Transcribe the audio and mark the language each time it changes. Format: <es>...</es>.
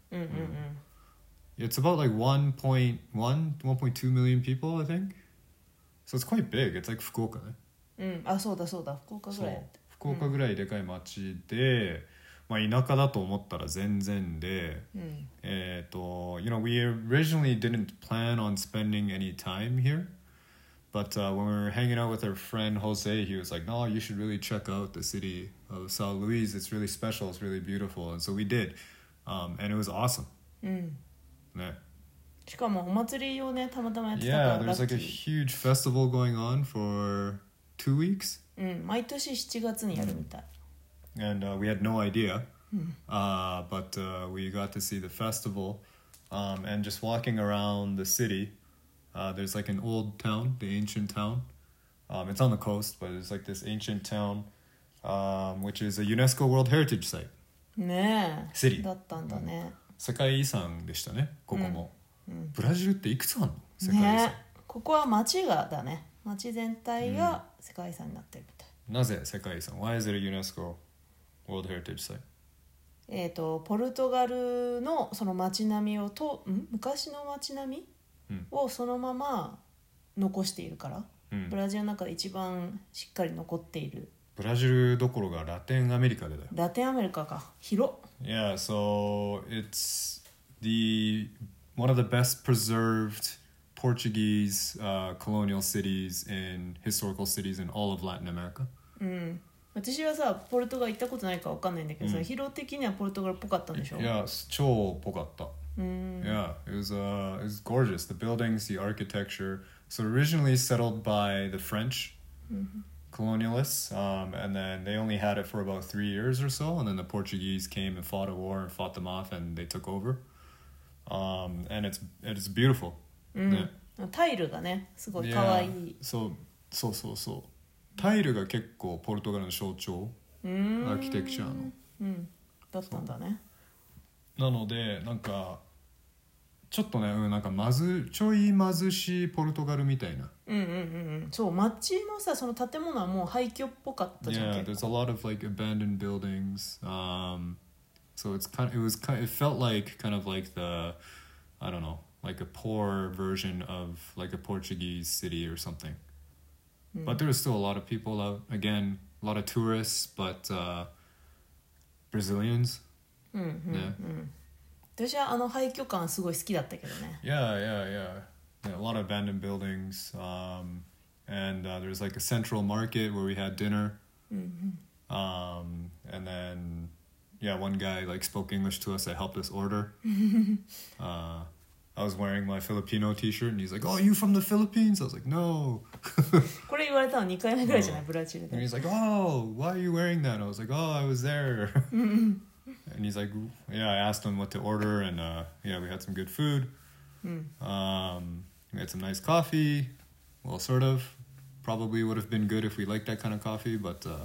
<en>うんうんうん、 It's about like 1.1 1.2 million people I think. So it's quite big. It's like 福岡ね。</en> <ja>うん、あ、そうだそうだ、福岡ぐらい。福岡ぐらいでかい町で、うん、まあ田舎だと思ったら全然で、うん、</ja> <en>you know, we originally didn't plan on spending any time here. But when we were hanging out with our friend Jose, he was like, no, you should really check out the city of São Luís. It's really special. It's really beautiful. And so we did. And it was awesome. うん。ね。</en> <ja>しかもお祭りをね、たまたまやってたから</ja> <en>。 Yeah, there's like a huge festival going on for 2 weeks.</en> <ja>うん、毎年7月にやるみたい。</ja> <en>And we had no idea. うん。 But we got to see the festival. And just walking around the city,there's like an old town, the ancient town. It's on the coast, but it's like this ancient town, which is a UNESCO World Heritage Site. ねえ。 City.</en> <ja>だったんだね。世界遺産でしたね、ここも。うんうん、ブラジルっていくつあるの？世界遺産。ねえ。ここは街がだね。街全体が世界遺産になってるみたい。うん、なぜ世界遺産？</ja> <en>Why is it a UNESCO World Heritage Site?</en> <ja>ポルトガルのその街並みをと、ん？昔の街並み？うん、をそのまま残しているから、うん、ブラジルの中で一番しっかり残っている。ブラジルどころがラテンアメリカでだよ。ラテンアメリカか、広っ。</ja> <en>Yeah, so it's the one of the best preserved Portuguese、colonial cities and historical cities in all of Latin America.</en> <ja>うん、私はさ、ポルトガル行ったことないか分かんないんだけど、うん、さ、広的にはポルトガルっぽかったんでしょ。 Yeah, 超っぽかった。 Mm.</ja> <en>Yeah, it was gorgeous. The buildings, the architecture. So originally settled by the French、 mm-hmm. colonialists, and then they only had it for about 3 years or so, and then the Portuguese came and fought a war and fought them off, and they took over. And it's beautiful.</en> <ja>Mm. Yeah. タイルがね、すごい可愛い。</ja> <en>Yeah.</en> <ja>So タイルが結構ポルトガルの象徴、 mm. アーキテクチャーの、うん、だったんだね。なのでなんかちょっとね、うん、なんかまずちょい貧しいポルトガルみたいな。うんうんうん、そう、街もさ、その建物はもう廃墟っぽかったじゃん。</ja> <en>Yeah, there's a lot of like abandoned buildings. So it's kind of, it felt like kind of like the, I don't know, like a poor version of like a Portuguese city or something.、うん、but there was still a lot of people out. Again, a lot of tourists, but Brazilians.</en> <ja>うんうんうん、yeah. 私はあの廃墟感すごい好きだったけどね。</ja> <en>Yeah. A lot of abandoned buildings. And there's like a central market where we had dinner. And then, yeah, one guy like spoke English to us that helped us order. I was wearing my Filipino t-shirt and he's like, oh, you from the Philippines? I was like, no.</en> <ja>これ言われたの2回目ぐらいじゃない、ブラジルで。</ja> <en>And he's like, oh, why are you wearing that? I was like, oh, I was there. And he's like, yeah, I asked him what to order and yeah, we had some good food. We had some nice coffee. Well, sort of. Probably would have been good if we liked that kind of coffee, but...</en>